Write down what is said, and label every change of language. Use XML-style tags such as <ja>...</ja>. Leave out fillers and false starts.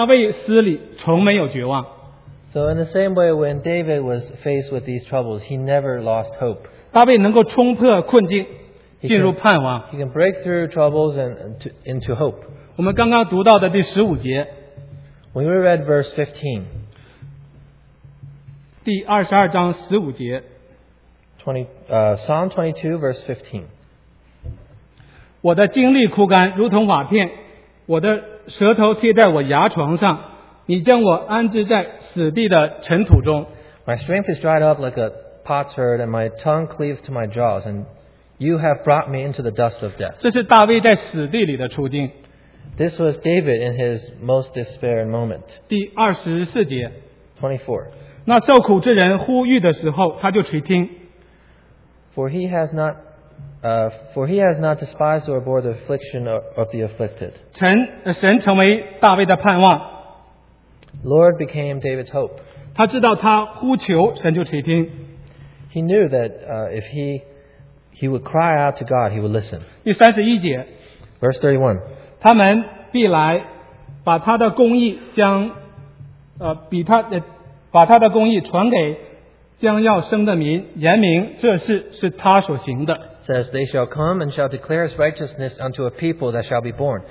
<zh>所以相比之下,面对困境,大卫诗里从没有绝望。</zh> <en>So in the same way, when David was faced with these troubles, he never lost hope.</en> <zh>大卫能够冲破困境,进入盼望。</zh> <en>He can break through troubles and into hope.</en> <zh>我们刚刚读到的第15节,</zh> <en>When we read verse 15,</en> <zh>第22章15节,</zh> <en>Psalm 22, verse 15,</en> <zh>我的精力枯干,如同瓦片, 我的舌头贴在我牙床上,</zh> <en>my strength is dried up like a potsherd, and my tongue cleaves to my jaws, and you have brought me into the dust of death. This was David in his most despairing moment.</en> <zh>第24节,</zh> <en>24.</en> <zh>那受苦之人呼吁的时候,</zh> <en>for he has not despised or bore the affliction of the afflicted.</en> <zh>神成为大卫的盼望,</zh> <en>Lord became David's hope.</en> <zh>他知道他呼求,</zh> <en>he knew that if he would cry out to God, he would listen.</en> <zh>第31节,</zh> <en>Verse 31.</en> <zh>他们必来把他的公义传给将要生的民言明这事是他所行的。</zh> <en>Says they shall come and shall declare his righteousness unto a people that shall be born.</en>